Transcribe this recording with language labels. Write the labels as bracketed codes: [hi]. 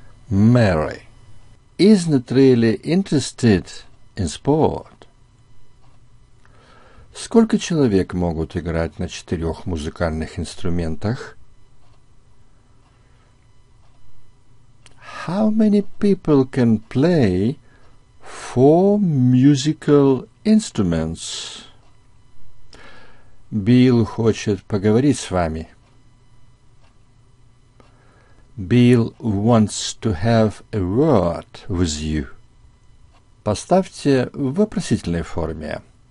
[en] Mary is not really interested in sport. [ru] Сколько человек могут играть на четырех музыкальных инструментах? [en] How many people can play four musical instruments? [ru] Билл хочет поговорить с вами. [en] Билл wants to have a word with you. [ru] Поставьте в вопросительной форме.